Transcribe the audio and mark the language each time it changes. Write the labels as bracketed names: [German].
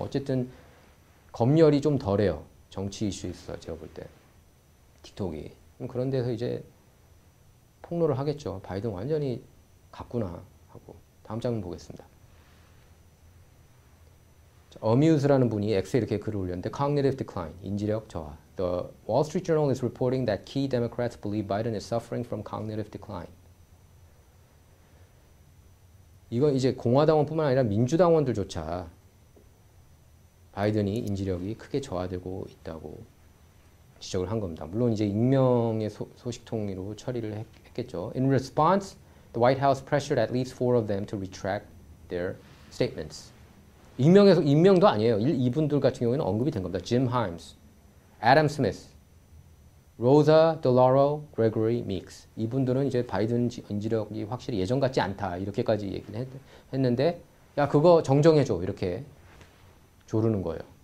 [Korean] 어쨌든 검열이 좀 덜해요. 정치 이슈 있어서 제가 볼 때. 틱톡이. 그런 데서 이제 폭로를 하겠죠. 바이든 완전히 갔구나 하고. 다음 장면 보겠습니다. 어뮤즈라는 분이 X에 이렇게 글을 올렸는데 [English] Cognitive Decline, [Korean] 인지력 저하. [English] The Wall Street Journal is reporting that key Democrats believe Biden is suffering from cognitive decline. [Korean] 이건 이제 공화당원뿐만 아니라 민주당원들조차 바이든이 인지력이 크게 저하되고 있다고 지적을 한 겁니다. 물론 이제 익명의 소식통으로 처리를 했겠죠. [English] In response, The White House pressured at least four of them to retract their statements. [Korean] 익명에서 익명도 아니에요. 이분들 같은 경우에는 언급이 된 겁니다. Jim Himes, Adam Smith, Rosa DeLauro, Gregory Meeks. 이분들은 이제 바이든 인지력이 확실히 예전 같지 않다 이렇게까지 얘기를 했는데, 야 그거 정정해줘 이렇게 조르는 거예요.